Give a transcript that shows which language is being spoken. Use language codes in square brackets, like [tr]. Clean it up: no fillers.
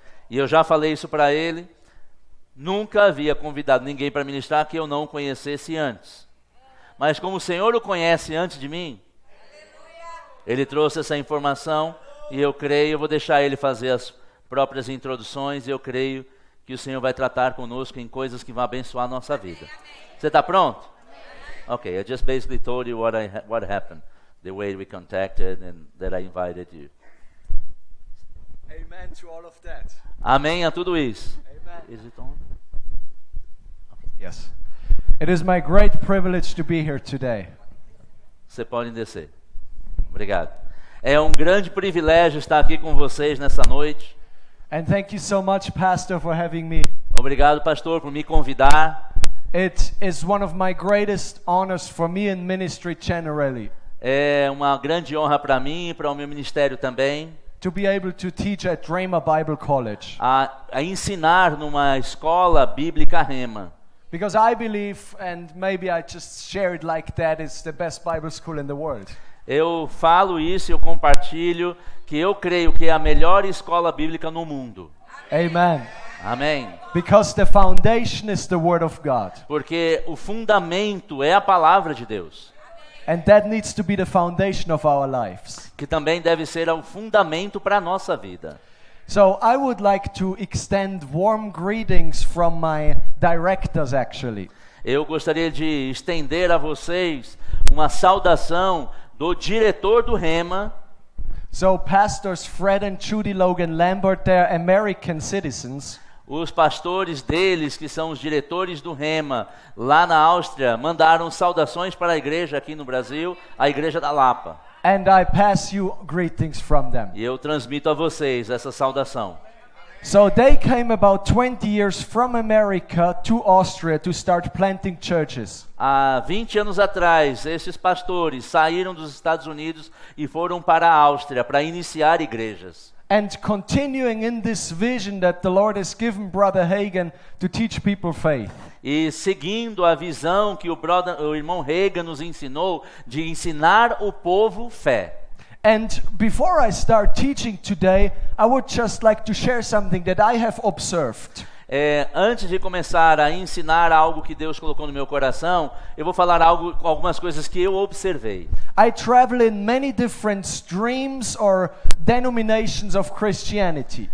[pt] E eu já falei isso para ele, nunca havia convidado ninguém para ministrar que eu não o conhecesse antes. Mas como o Senhor o conhece antes de mim, ele trouxe essa informação e eu creio, eu vou deixar ele fazer as próprias introduções e eu creio que o Senhor vai tratar conosco em coisas que vão abençoar a nossa vida. Você está pronto? [en] Ok, I just basically told you what happened, the way we contacted and that I invited you. Amen to all of that. [pt] Amém a tudo isso. [en] Amen. Is it on? Yes. It is my great privilege to be here today. [pt] Você pode descer. Obrigado. É um grande privilégio estar aqui com vocês nessa noite. [en] And thank you so much, Pastor, for having me. [pt] Obrigado, Pastor, por me convidar. [en] It is one of my greatest honors for me in ministry generally. [pt] É uma grande honra para mim e para o meu ministério também. [en] To be able to teach at Rema Bible College. [pt] A ensinar numa escola bíblica Rema. [en] Because I believe, and maybe I just share it like that, it's the best Bible school in the world. [pt] Eu falo isso e eu compartilho que eu creio que é a melhor escola bíblica no mundo. [en] Amen. [pt] Amém. [en] Because the foundation is the word of God. [pt] Porque o fundamento é a palavra de Deus. [en] And that needs to be the foundation of our lives. [pt] Que também deve ser o fundamento para a nossa vida. [en] So I would like to extend warm greetings from my directors actually. [pt] Eu gostaria de estender a vocês uma saudação do diretor do Rema. [en] So pastors Fred and Judy Logan Lambert, they're American citizens. [pt] Os pastores deles, que são os diretores do Rema, lá na Áustria, mandaram saudações para a igreja aqui no Brasil, a igreja da Lapa. [en] And I pass you greetings from them. [pt] E eu transmito a vocês essa saudação. [en] So they came about 20 years from America to Austria to start planting churches. [pt] Há 20 anos atrás, esses pastores saíram dos Estados Unidos e foram para a Áustria para iniciar igrejas. [en] And continuing in this vision that the Lord has given Brother Hagen to teach people faith. [pt] E seguindo a visão que o irmão Hagen nos ensinou de ensinar o povo fé. [en] And before I start teaching today, I would just like to share something that I have observed. [pt] Antes de começar a ensinar algo que Deus colocou no meu coração, eu vou falar algumas coisas que eu observei. [en] I travel in many different streams or denominations of Christianity.